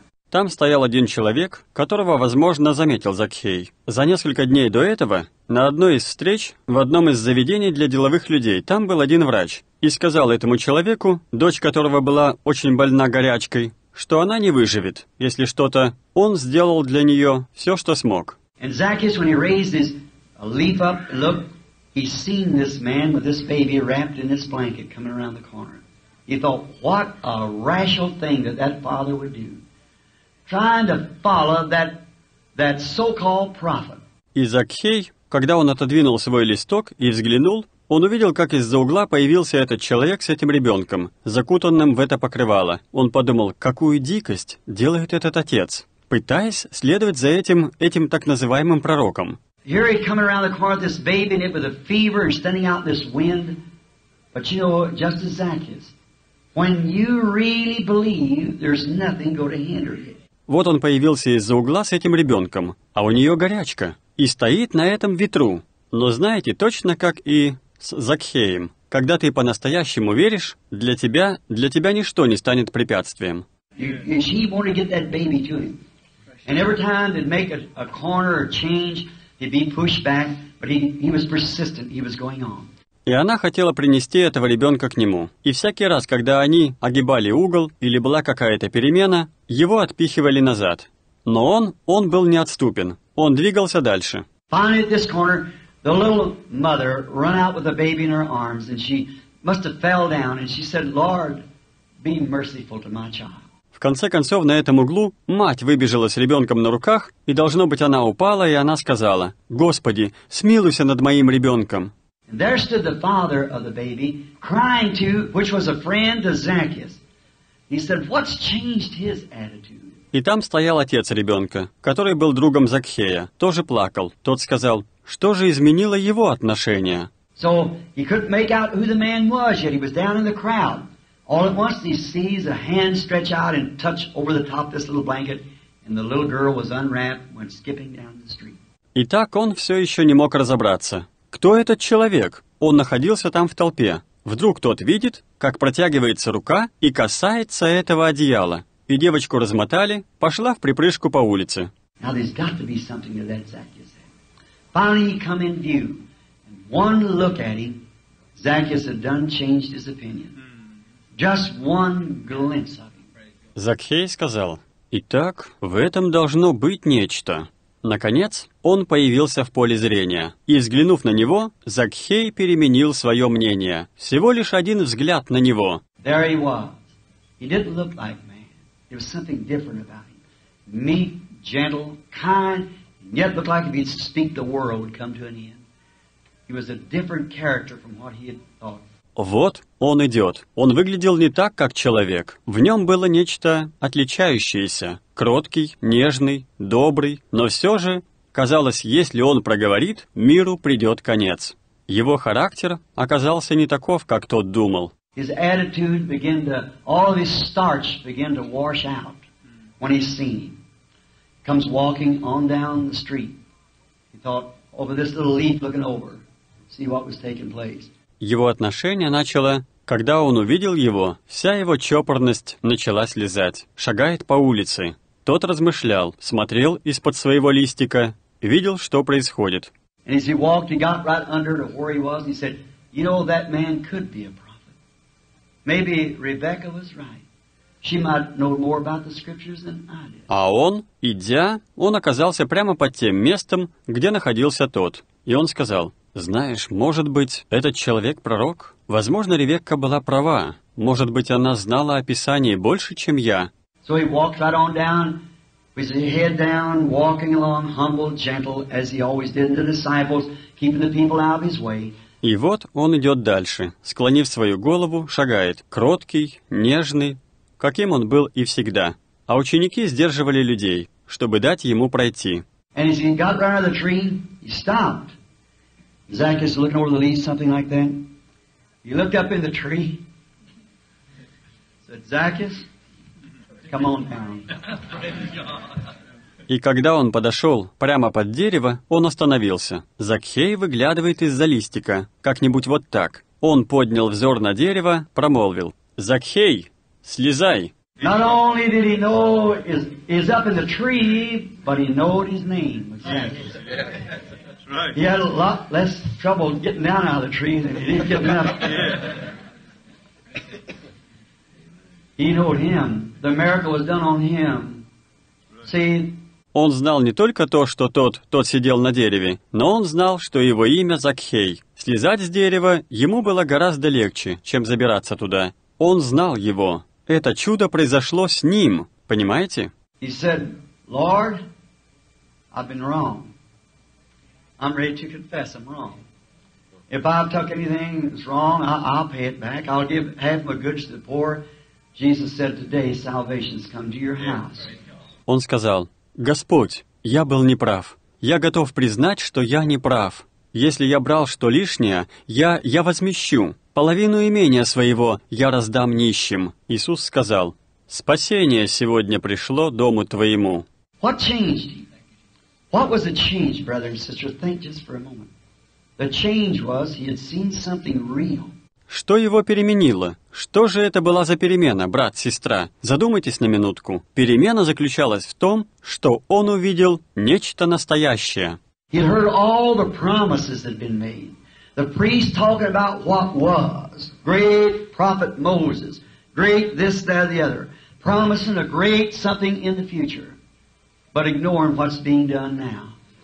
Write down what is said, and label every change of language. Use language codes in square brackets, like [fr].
[ru] Там стоял один человек, которого, возможно, заметил Закхей. За несколько дней до этого, на одной из встреч, в одном из заведений для деловых людей, там был один врач, и сказал этому человеку, дочь которого была очень больна горячкой, что она не выживет, если что-то он сделал для нее все, что смог. [en] And Zacchaeus, when he raised his leaf up, look, he seen this man with this baby wrapped in this blanket coming around the corner. He thought, what a rational thing that father would do, trying to follow that so-called prophet. [ru] И Закхей, когда он отодвинул свой листок и взглянул, он увидел, как из-за угла появился этот человек с этим ребенком, закутанным в это покрывало. Он подумал, какую дикость делает этот отец, пытаясь следовать за этим так называемым пророком. [en] Here he come around the corner, this baby, and it with a fever, and standing out in this wind. But you know, just as Zacchaeus. When you really believe, there's nothing going to hinder it. [ru] Вот он появился из-за угла с этим ребенком, а у нее горячка, и стоит на этом ветру. Но знаете, точно как и с Закхеем, когда ты по-настоящему веришь, для тебя ничто не станет препятствием. [en] And she wanted to get that baby to him. And every time they'd make a corner or change, he'd be pushed back, but he was persistent, he was going on. [ru] И она хотела принести этого ребенка к нему. И всякий раз, когда они огибали угол или была какая-то перемена, его отпихивали назад. Но он был неотступен. Он двигался дальше. [en] Finally, at this corner, the little mother ran out with the baby in her arms, and she must have fell down, and she said, "Lord, be merciful to my child." [ru] В конце концов, на этом углу мать выбежала с ребенком на руках, и должно быть, она упала, и она сказала: "Господи, смилуйся над моим ребенком." [en] And there stood the father of the baby, crying to, which was a friend of Zacchaeus. He said, "What's changed his attitude?" [ru] И там стоял отец ребенка, который был другом Закхея, тоже плакал. Тот сказал, Что же изменило его отношение? [en] So he couldn't make out who the man was, yet he was down in the crowd. All at once he sees a hand stretch out and touch over the top of this little blanket, and the little girl was unwrapped and went skipping down the street. [ru] Итак, он все еще не мог разобраться. Кто этот человек? Он находился там в толпе. Вдруг тот видит, как протягивается рука и касается этого одеяла. И девочку размотали, пошла в припрыжку по улице. [en] Now there's got to be something to let Zacchaeus have. Finally he come in view. And one look at him, Zacchaeus had done changed his opinion. Just one glimpse of him. [ru] Закхей сказал, «Итак, в этом должно быть нечто». Наконец, он появился в поле зрения, и, взглянув на него, Закхей переменил свое мнение. Всего лишь один взгляд на него. [en] There he was. He didn't look like man. There was something different about him. Meek, gentle, kind, and yet looked like if he'd speak, the world would come to an end. He was a different character from what he had thought. [ru] Вот он идет. Он выглядел не так, как человек. В нем было нечто отличающееся. Кроткий, нежный, добрый. Но все же, казалось, если он проговорит, миру придет конец. Его характер оказался не таков, как тот думал. [en] His attitude began to, all of his starch began to wash out when he seen him. Comes walking on down the street. He thought, over this little leaf looking over, see what was taking place. [ru] Его отношение начало, когда он увидел его, вся его чопорность начала слезать. Шагает по улице. Тот размышлял, смотрел из-под своего листика, видел, что происходит. [en] And as he walked, he got right under to where he was, and he said, you know, that man could be a prophet. Maybe Rebecca was right. She might know more about the scriptures than I did. [ru] А он, идя, он оказался прямо под тем местом, где находился тот. И он сказал, «Знаешь, может быть, этот человек — пророк? Возможно, Ревекка была права. Может быть, она знала о Писании больше, чем я?» [en] So he walked right on down, with his head down, walking along, humble, gentle, as he always did the disciples, keeping the people out of his way. [ru] И вот он идет дальше, склонив свою голову, шагает, кроткий, нежный, каким он был и всегда. А ученики сдерживали людей, чтобы дать ему пройти. [en] And as he got right out of the tree, he stopped. Zacchaeus looking over the leaves, something like that. He looked up in the tree. Said, Zacchaeus, come on down. [ru] И когда он подошел прямо под дерево, он остановился. Закхей выглядывает из-за листика, как-нибудь вот так. Он поднял взор на дерево, промолвил. Закхей, слезай. [en] Not only did he know is up in the tree, but he knew his name was Zacchaeus. He had a lot less trouble getting down out of the tree than he did getting up. He knew him. The miracle was done on him. See? [ru] Он знал не только то, что тот сидел на дереве, но он знал, что его имя Закхей. Слезать с дерева ему было гораздо легче, чем забираться туда. Он знал его. Это чудо произошло с ним, понимаете? [en] He said, Lord, I've been wrong. I'm ready to confess I'm wrong. If I've took anything that's wrong, I'll pay it back. I'll give half my goods to the poor. Jesus said today, salvation's come to your house. [ru] Он сказал, Господь, я был неправ. Я готов признать, что я неправ. Если я брал что лишнее, я возмещу. Половину имения своего я раздам нищим. Иисус сказал, спасение сегодня пришло дому твоему. [en] What changed? What was the change, brother and sister? Think just for a moment. The change was he had seen something real. [ru] Что его переменило? Что же это была за перемена, брат, сестра? Задумайтесь на минутку. Перемена заключалась в том, что он увидел нечто настоящее. [en] He heard all the promises that had been made. The priest talking about what was. Great prophet Moses. Great this, that, the other. Promising a great something in the future. But ignoring what's being done now.